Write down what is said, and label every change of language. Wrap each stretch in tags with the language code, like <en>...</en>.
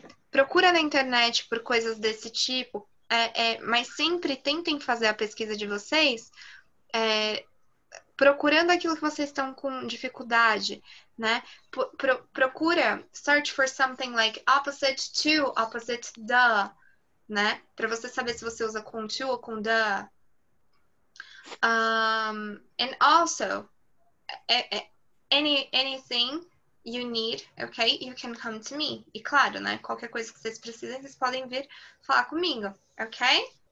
<pt>Procura na internet por coisas desse tipo, mas sempre tentem fazer a pesquisa de vocês procurando aquilo que vocês estão com dificuldade, né? Procura,</pt> <en>search for something like opposite to, opposite the,</en> <pt>né? Para você saber se você usa com to ou com the.</pt> <en>And also, anything you need, okay, you can come to me.</en> <pt>E claro, né? Qualquer coisa que vocês precisem, vocês podem vir falar comigo, okay?</pt>